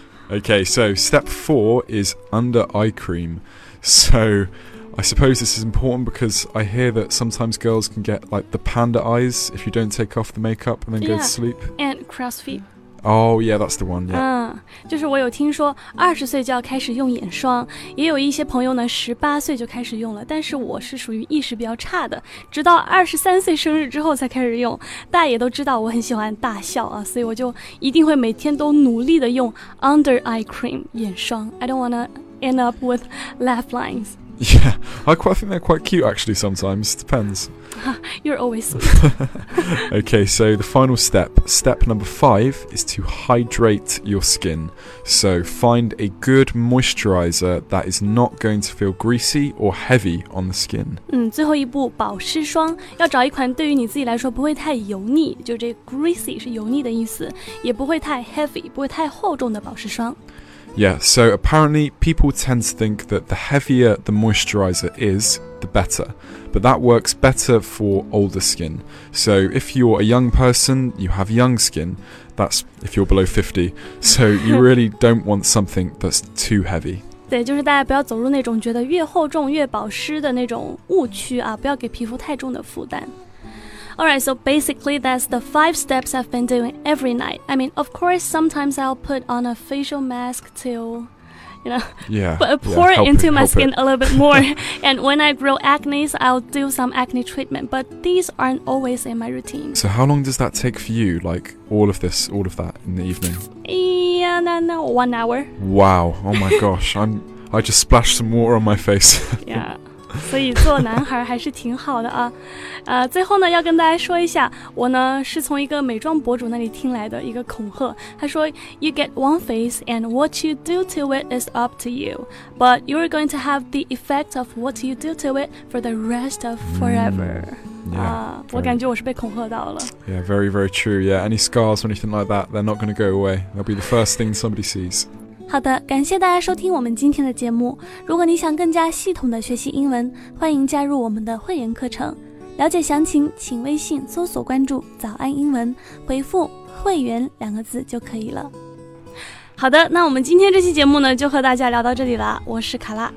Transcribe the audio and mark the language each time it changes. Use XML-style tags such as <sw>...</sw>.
<en>Okay, so step four is under eye cream. So I suppose this is important because I hear that sometimes girls can get like the panda eyes if you don't take off the makeup and then go to sleep. And crow's feet. Oh, yeah, that's the one, yeah.</en> <zh>就是我有听说20岁就要开始用眼霜，也有一些朋友呢18岁就开始用了，但是我是属于意识比较差的，直到23岁生日之后才开始用。大家也都知道我很喜欢大笑啊，所以我就一定会每天都努力的用 under eye cream 眼霜。</zh> <en>I don't wanna end up with laugh lines. Yeah, I think they're quite cute actually sometimes, depends. You're always sweet. Okay, so the final step number five is to hydrate your skin. So find a good moisturizer that is not going to feel greasy or heavy on the skin.</en> <zh>最后一步保湿霜，要找一款对于你自己来说不会太油腻，就这 greasy 是油腻的意思，也不会太 heavy 不会太厚重的保湿霜。</zh> <en>Yeah, so apparently people tend to think that the heavier the moisturiser is, the better. But that works better for older skin. So if you're a young person, you have young skin. That's if you're below 50. So you really don't want something that's too heavy.</en> <zh>对，就是大家不要走入那种觉得越厚重越保湿的那种误区啊，不要给皮肤太重的负担。</zh> <en>Alright, so basically that's the 5 steps I've been doing every night. I mean, of course, sometimes I'll put on a facial mask to, you know, pour into my skin a little bit more. And when I grow acne, I'll do some acne treatment, but these aren't always in my routine. So how long does that take for you, like all of this, all of that in the evening? No, 1 hour. Wow, oh my gosh, I just splashed some water on my face. Yeah.</en> <zh>所以做男孩还是挺好的啊，最后呢要跟大家说一下，我呢是从一个美妆博主那里听来的一个恐吓，他说</zh> <en>You get one face and what you do to it is up to you, but you're going to have the effect of what you do to it for the rest of forever. Yeah,</en> <zh>我感觉我是被恐吓到了。</zh> <en>Yeah, very, very true. Yeah, any scars or anything like that, they're not going to go away. They'll be the first thing somebody sees.</en> <zh>好的，感谢大家收听我们今天的节目。如果你想更加系统的学习英文，欢迎加入我们的会员课程。了解详情，请微信搜索关注“早安英文”，回复“会员”两个字就可以了。好的，那我们今天这期节目呢，就和大家聊到这里了。我是卡拉，</zh>